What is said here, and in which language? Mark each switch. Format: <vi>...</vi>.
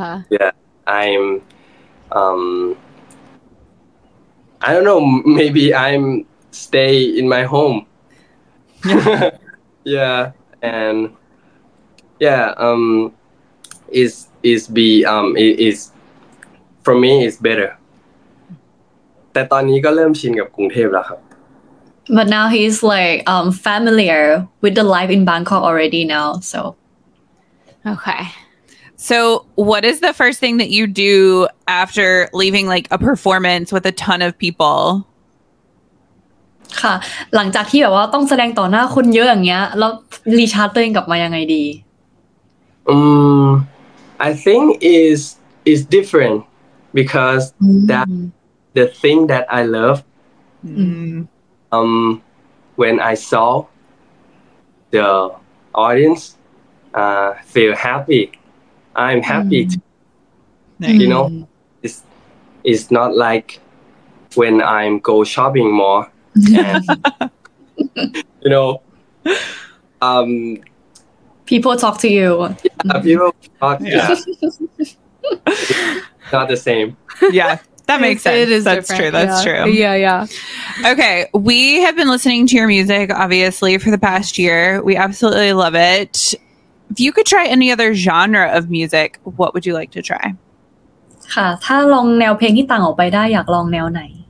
<en>Yeah, I'm I don't know, maybe I'm stay in my home. Yeah, and yeah, is for me it's better.</en> <th>แต่ตอนนี้ก็เริ่มชินกับกรุงเทพแล้วครับ</th> <en>But now he's like familiar with the life in Bangkok already now, so. Okay. So what is the first thing that you do after leaving like a performance with a ton of people?</en> <th>ค่ะหลังจากที่แบบว่าต้องแสดงต่อหน้าคนเยอะอย่างเงี้ยแล้วรีชาร์จตัวเองกลับมายังไงดี</th> <en>I think is different because that the thing that I love when I saw the audience feel happy I'm happy too. You know it's not like when I'm go shopping more and, you know, people talk to you. Yeah, people talk. Yeah. Not the same. Yeah, that makes sense. It is That's different. True. That's yeah. true. Yeah, yeah. Okay, we have been listening to your music, obviously, for the past year. We absolutely love it. If you could try any other genre of music, what would you like to try?</en> <th>ค่ะถ้าลองแนวเพลงที่ต่างออกไปได้อยากลองแนวไหน</th>